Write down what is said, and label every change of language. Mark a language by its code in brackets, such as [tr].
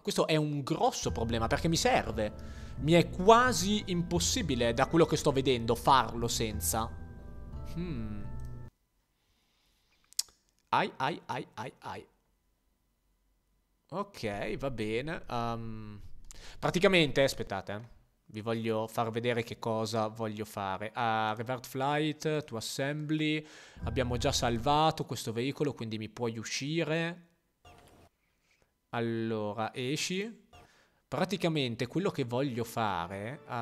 [it] Questo è un grosso problema perché mi serve. Mi è quasi impossibile, da quello che sto vedendo, farlo senza. Ai, ai, ai, ai, ai. Ok, va bene. Praticamente, aspettate. Vi voglio far vedere che cosa voglio fare. [en] Revert flight to assembly. [it] Abbiamo già salvato questo veicolo, quindi mi puoi uscire. Allora, esci. Praticamente, quello che voglio fare.